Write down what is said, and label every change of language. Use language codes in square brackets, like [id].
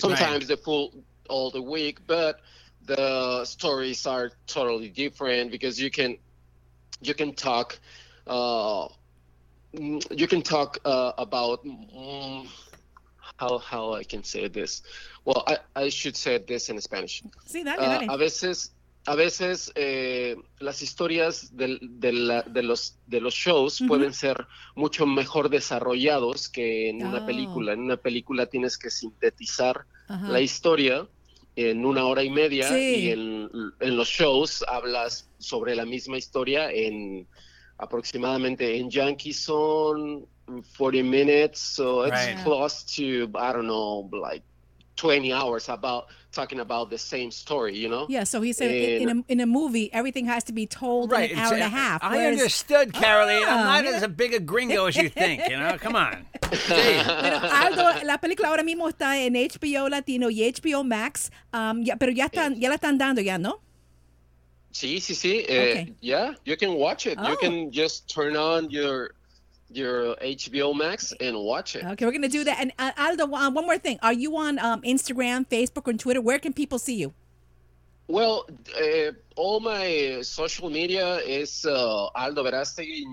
[en] Sometimes the full all the week, but the stories are totally different because you can talk. You can talk about how I can say this. Well, I should say this in Spanish. [es] Sí, dale. A veces las historias de los shows uh-huh. pueden ser mucho mejor desarrollados que en una película. En una película tienes que sintetizar la historia en una hora y media y en los shows hablas sobre la misma historia en aproximadamente en Yankee son 40 [en] minutes, so it's close to, I don't know, like 20 hours about talking about the same story, you know? Yeah, so he said in a movie, everything has to be told in an hour and a half. I understood, Caroline. I'm not as big a gringo as you think, you know? Come on. [es] Bueno, Aldo, la película ahora mismo está en HBO Latino y HBO Max, pero ya la están dando ya, ¿no? [en] Sí. Yeah, you can watch it. Oh. You can just turn on your HBO Max and watch it. Okay, we're going to do that. And Aldo, one more thing. Are you on Instagram, Facebook, and Twitter? Where can people see you? Well, all my social media is Aldo Verástegui.